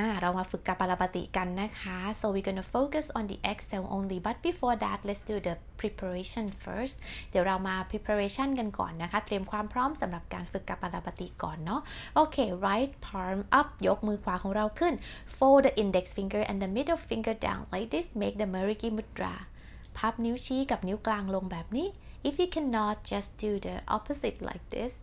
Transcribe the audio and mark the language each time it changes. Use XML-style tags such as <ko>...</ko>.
<en>เรามาฝึก Kapalabhati กันนะคะ So we're gonna focus on the exhale only. But before that, let's do the preparation first.</en> <th>เดี๋ยวเรามา preparation กันก่อนนะคะเตรียมความพร้อมสำหรับการฝึก Kapalabhati ก่อนเนาะ Okay, right palm up.</th> <en>ยกมือขวาของเราขึ้น Fold the index finger and the middle finger down like this. Make the Marigi Mudra. พับนิ้วชี้กับนิ้วกลางลงแบบนี้ If you cannot, just do the opposite like this.</en>